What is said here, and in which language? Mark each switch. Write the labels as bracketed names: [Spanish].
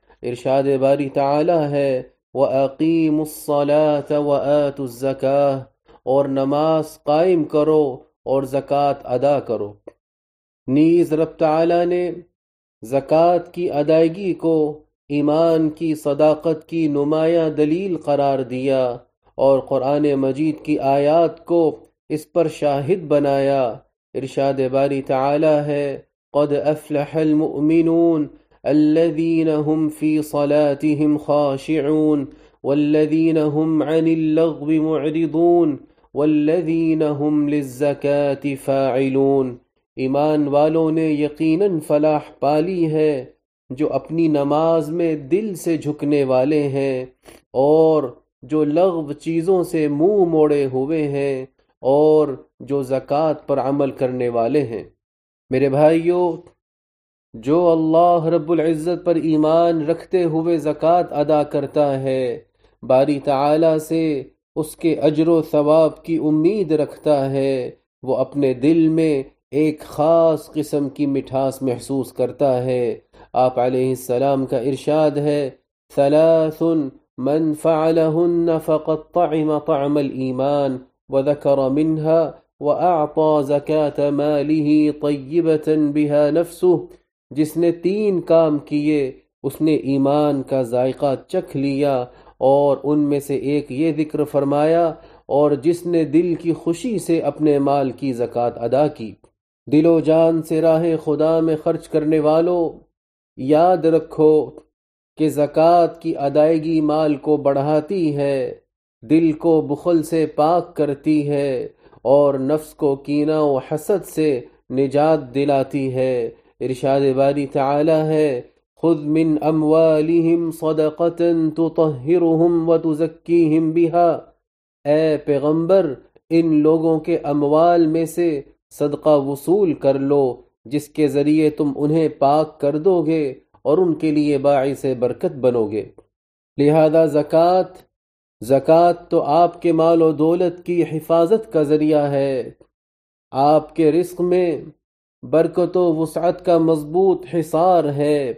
[Urdu] ارشاد باری تعالی ہے: [Arabic] وَأَقِيمُوا الصَّلَاةَ وَآتُوا الزَّكَاةَ، [Urdu] اور نماز قائم کرو اور زکاة ادا کرو. نیز رب تعالی نے زکاة کی ادائیگی کو ایمان کی صداقت کی نمایاں دلیل قرار دیا اور قرآن مجید کی آیات کو اس پر شاہد بنایا. ارشاد باری تعالی ہے: [Arabic] قد افلح المؤمنون الذين هم في صلاتهم خاشعون والذين هم عن اللغو معرضون والذين هم للزكاة فاعلون. [Urdu] ایمان والوں نے یقیناً فلاح پالی ہے جو اپنی نماز میں دل سے جھکنے والے ہیں، اور جو لغو چیزوں سے منہ موڑے ہوئے ہیں، اور جو زکاة پر عمل کرنے والے ہیں. میرے بھائیو، جو اللہ رب العزت پر ایمان رکھتے ہوئے زکاة ادا کرتا ہے، باری تعالی سے اس کے اجر و ثواب کی امید رکھتا ہے، وہ اپنے دل میں ایک خاص قسم کی مٹھاس محسوس کرتا ہے. آپ علیہ السلام کا ارشاد ہے: [Arabic] ثلاث من فعلهن فقد طعم طعم الایمان وذكر منها واعطى زكاه ماله طيبه بها نفسه. [Urdu] جس نے تین کام کیے اس نے ایمان کا ذائقہ چکھ لیا، اور ان میں سے ایک یہ ذکر فرمایا، اور جس نے دل کی خوشی سے اپنے مال کی زکوٰۃ ادا کی. دل و جان سے راہ خدا میں خرچ کرنے والوں، یاد رکھو کہ زکوٰۃ کی ادائیگی مال کو بڑھاتی ہے، دل کو بخل سے پاک کرتی ہے، اور نفس کو کینہ و حسد سے نجات دلاتی ہے. ارشاد باری تعالی ہے: [Arabic] خذ من اموالهم صدقة تطهرهم وتزكيهم بها. [Urdu] اے پیغمبر، ان لوگوں کے اموال میں سے صدقہ وصول کر لو، جس کے ذریعے تم انہیں پاک کر دو گے اور ان کے لیے باعث برکت بنو گے. لہذا زکوٰۃ زکوٰۃ تو آپ کے مال و دولت کی حفاظت کا ذریعہ ہے، آپ کے رزق میں برکت و وسعت کا مضبوط حصار ہے،